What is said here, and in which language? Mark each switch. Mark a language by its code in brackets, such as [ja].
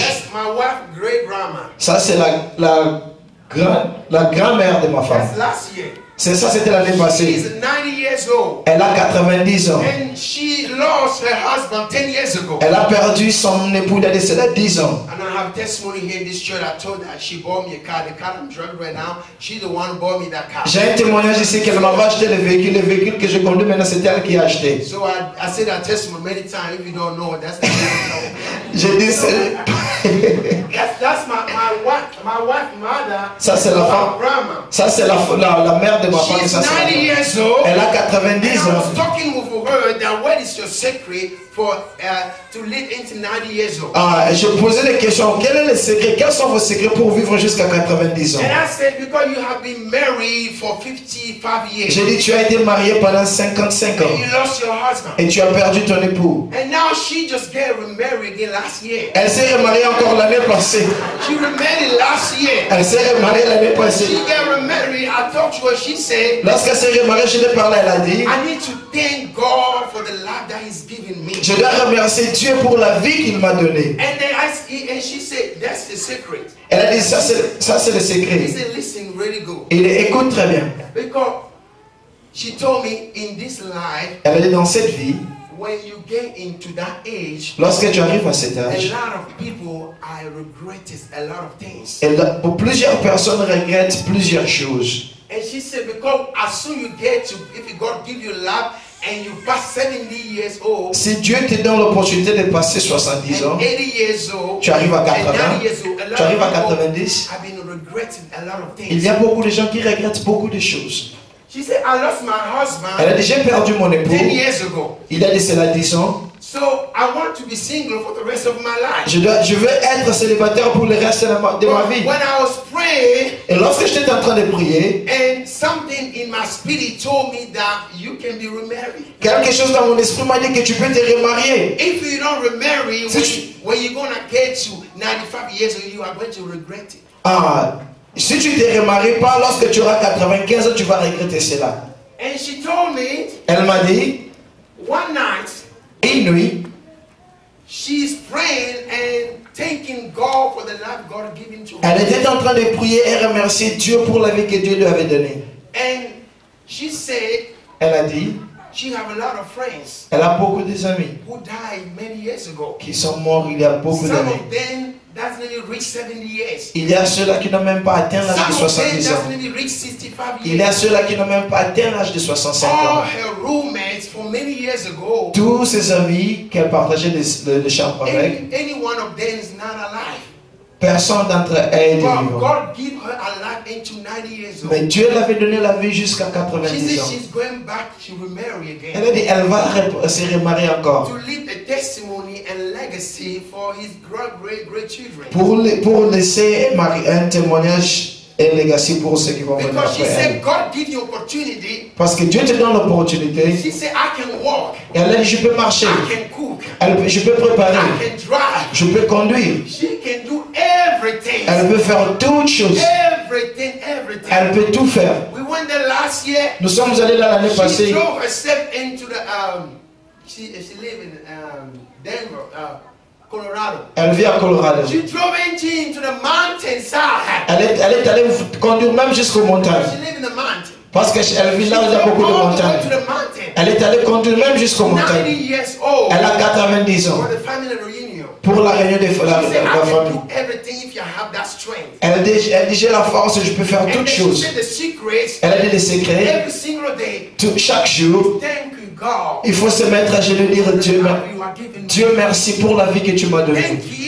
[en] That's my wife's great grandma. [fr] Ça c'est la grand-mère de ma femme. [en] That's last year. [fr] C'est ça, c'était l'année passée. [en] She is 90 years old. [fr] Elle a 90 ans. [en] And she lost her husband 10 years ago. [fr] Elle a perdu son époux d'année, c'est là 10 ans. [en] And I have testimony here in this church. I told her she bought me a car. The car I'm driving right now, she's the one who bought me that car. [fr] J'ai un témoignage ici qu'elle m'avait acheté le véhicule que je conduis maintenant, c'est elle qui a acheté. [en] So I said that testimony many times. If you don't know, that's the one. [fr] J'ai dit c'est. [en] That's my wife mother. [fr] Ça c'est la femme. Ça c'est la mère. [en] She's 90 years old. [fr] Elle a 90 ans. [en] I was talking with her that what is your secret for to live into 90 years old? [fr] Ah, je posais les questions. Quel est le secret? Quels sont vos secrets pour vivre jusqu'à 90 ans? [en] And I said, because you have been married for 55 years. [fr] J'ai dit, tu as été marié pendant 55 ans. [en] And you lost your husband. [fr] Et tu as perdu ton époux. [en] And now she just got remarried again last year. [fr] Elle s'est remariée encore l'année passée. [en] She remarried last year. [fr] Elle s'est remariée l'année passée. [en] She got remarried. I talked to her. She said, [fr] lorsqu'elle s'est remariée, je l'ai parlé, elle a dit, [en] I need to thank God for the life that he's given me. [fr] Je dois remercier Dieu pour la vie qu'il m'a donnée. [en] And then she said, that's the secret. [fr] Elle a dit, ça c'est le secret. [en] He said, listen really good. [fr] Et il écoute très bien. [en] Because she told me, in this life, [fr] elle a dit, dans cette vie, [en] when you get into that age, [fr] lorsque tu arrives à cet âge, [en] a lot of people are regretting a lot of things. [fr] Pour plusieurs personnes regrettent plusieurs choses. [en] And she said, because as soon you get to, if God give you love. And you pass 70 years old, [fr] si Dieu te donne l'opportunité de passer 70 ans, [en] 80 years old, [fr] tu arrives à 80, tu arrives à 90, [en] I've been regretting a lot of things. [fr] Il y a beaucoup de gens qui regrettent beaucoup de choses. [en] She said, I lost my husband. [fr] Elle a déjà perdu mon époux [en] 10 years ago. [fr] Il a laissé la 10 ans. [en] So I want to be single for the rest of my life. [fr] Je veux être célibataire pour le reste de ma vie. [en] When I was praying, [fr] et lorsque j'étais en train de prier, [en] and something in my spirit told me that you can be remarried. [fr] Quelque chose dans mon esprit m'a dit que tu peux te remarier. [en] If you don't remarry, [fr] si [en] when you're gonna get to 95 years old, you are going to regret it. [fr] Ah, si tu te remaries pas lorsque tu auras 95 ans, tu vas regretter cela. [en] And she told me. [fr] Elle m'a dit. [en] One night. [fr] Une nuit, [en] she's praying and thanking God for the life God given to her. [fr] Elle était en train de prier et remercier Dieu pour la vie que Dieu lui avait donnée. [en] And she said, [fr] elle a dit, [en] she have a lot of friends. [fr] Elle a beaucoup de amis. [en] Who died many years ago? [fr] Qui sont morts il y a beaucoup [en] some [fr] d'années. [en] Some of them definitely reached 70 years. [fr] Il y a ceux-là qui n'ont même pas atteint l'âge [en] some [fr] de 70 ans. [en] Some of them reached 65 years. [fr] Il y a ceux-là qui n'ont même pas atteint l'âge de 65 [en] all [fr] ans. [en] All her roommates for many years ago. [fr] Tous ses amis qu'elle partageait le chambre [en] any, [fr] avec. [en] Any one of them is not alive. [fr] Personne d'entre eux est vivant. [en] God gave her a life into 90 years old. [fr] Mais Dieu l'avait donné la vie jusqu'à 90 [en] she [fr] ans. [en] She's going back to remarry again. [fr] Elle a dit elle va se remarier encore. [en] To leave a testimony and legacy for his great children. [fr] Pour laisser un témoignage et legacy pour ceux qui vont venir après elle. [en] Because she said God give you opportunity. [fr] Parce que Dieu te donne l'opportunité. [en] She said I can walk. [fr] Et elle a dit je peux marcher. [en] I can cook. [fr] Je peux préparer. [en] I can drive. [fr] Je peux conduire. [en] She can do everything. [fr] Elle peut faire toutes choses. [en] Everything. [fr] Elle peut tout faire. [en] We went there last year. [fr] Nous sommes allés là l'année [en] she [fr] passée. [en] She drove herself into the she lives in Denver. Colorado. [fr] Elle vit à Colorado. [en] She drove into the mountain side. [fr] Elle est allée conduire même jusqu'aux montagnes. [en] She live in the mountain. [fr] Parce qu'elle vit là où il y a beaucoup de montagnes. Elle est allée conduire même jusqu'aux montagnes. [en] Years old. [fr] Elle a 90 ans. [en] For the family reunion. [fr] Pour la réunion de la famille. [en] Said, I can do everything if you have that strength. [fr] Elle dit j'ai la force, je peux faire toutes choses. Elle a dit les secrets. [en] Every single day. [fr] Chaque jour. [en] God, [fr] il faut se mettre à genoux et dire Dieu merci pour la vie que tu m'as donnée.